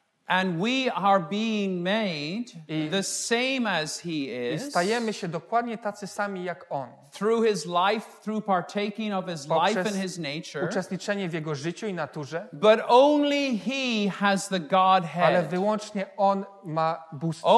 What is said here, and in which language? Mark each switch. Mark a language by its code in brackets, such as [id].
[en] And we are being made the same as he is. [pl] I stajemy się dokładnie tacy sami jak on. [en] Through his life, through partaking of his life and his nature. [pl] Uczestniczenie w jego życiu i naturze. [en] But only he has the Godhead. [pl] Ale wyłącznie on ma bóstwo.